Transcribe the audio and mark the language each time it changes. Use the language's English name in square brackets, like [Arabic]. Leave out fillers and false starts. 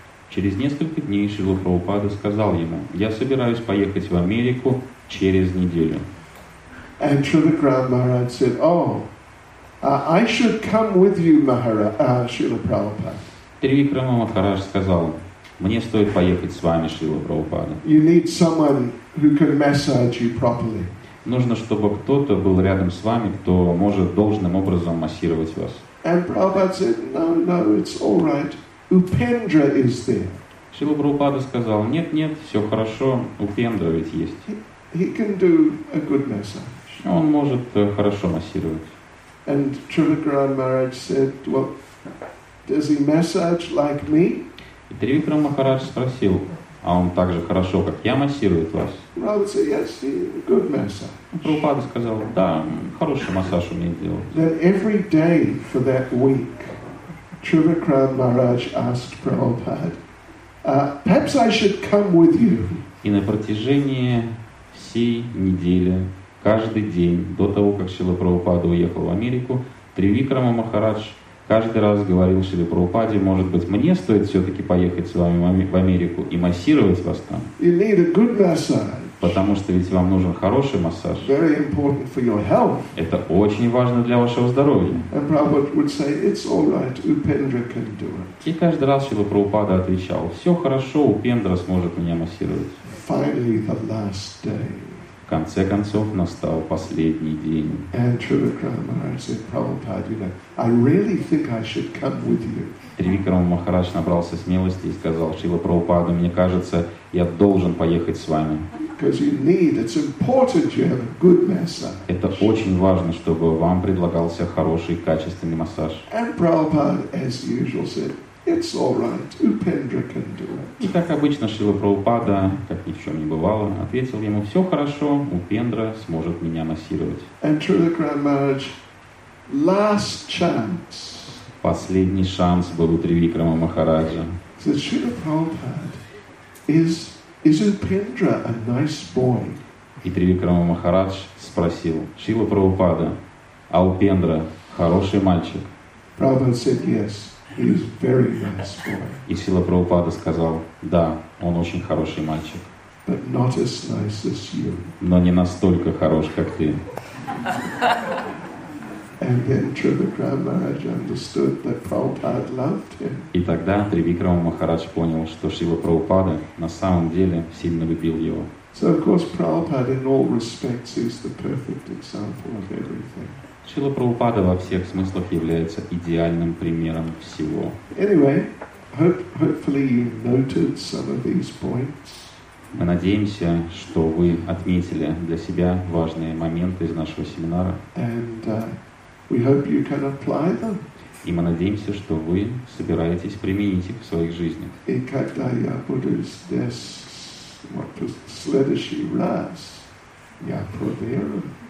[Russian] Через несколько дней Шрила Прабхупада сказал ему, "Я собираюсь поехать в Америку через неделю." [English] And Trivikram Maharaj said, "I should come with you, Srila Prabhupada." [Russian] Тривикрам Махарадж сказал, "Мне стоит поехать с вами, Шрила Прабхупада." [English] You need someone who can massage you properly. [Russian] Нужно, чтобы кто-то был рядом с вами, кто может должным образом массировать вас. [English] And Prabhupada said, no, it's all right. Upendra is there. [Russian] Шрила Прабхупада сказал, нет, все хорошо, Упендра ведь есть. [English] He can do a good massage. [Russian] Он может хорошо массировать. [English] And Trivikram Maharaj said, well, does he massage like me? [Russian] И Тривикрам Махарадж спросил, а он так же хорошо, как я, массирует вас? Прабхупада сказал, да, хороший массаж умеет делать. [English] Then every day for that week, Trivikram Maharaj asked Prabhupada, perhaps I should come with you. [Russian] И на протяжении всей недели, каждый день, до того, как Шрила Прабхупада уехал в Америку, Тривикрам Махарадж каждый раз говорил Шриле Прабхупаде, может быть, мне стоит все-таки поехать с вами в Америку и массировать вас там. [English] You need a good massage. [Russian] Потому что ведь вам нужен хороший массаж. [English] Very important for your health. [Russian] Это очень важно для вашего здоровья. [English] And Prabhupada would say, it's all right, Upendra can do it. [Russian] И каждый раз Шрила Прабхупада отвечал, все хорошо, Упендра сможет меня массировать. [English] Finally, the last day. [Russian] В конце концов, настал последний день. [English] And Trivikram Maharaj said, Prabhupada, you know, I really think I should come with you. [Russian] Тривикрам Махарадж набрался смелости и сказал, Шрила Прабхупада, мне кажется, я должен поехать с вами. [English] Because you need, it's important you have a good massage. [Russian] Это очень важно, чтобы вам предлагался хороший, качественный массаж. [English] And Prabhupada, as usual, said, it's all right. Upendra can do it. [Russian] И как обычно Шрила Прабхупада, как ни в чем не бывало, ответил ему, все хорошо, Упендра сможет меня массировать. [English] And Trivikram Maharaj, last chance. [Russian] Последний шанс был у Тривикрама Махараджа. [English] So Srila Prabhupada, is Upendra a nice boy? [Russian] И Тривикрама Махарадж спросил, Шрила Прабхупада, а Упендра хороший мальчик? [English] Prabhupada said yes. He is very nice boy. [Russian] И Шрила Прабхупада сказал, да, он очень хороший мальчик. [English] But not as nice as you. [Russian] Но не настолько хорош, как ты. [English] And then Trivikram Maharaj understood that Prabhupada loved him. [Russian] И тогда Тривикрама Махарадж понял, что Шрила Прабхупада на самом деле сильно любил его. [English] So of course Prabhupada in all respects is the perfect example of everything. [Russian] Шрила Прабхупада во всех смыслах является идеальным примером всего. [English] Anyway, hopefully you noted some of these points. [Russian] Мы надеемся, что вы отметили для себя важные моменты из нашего семинара. [English] And we hope you can apply them. [Russian] И мы надеемся, что вы собираетесь применить их в своих жизнях. И когда я буду здесь, вот, в следующий раз, я проверю.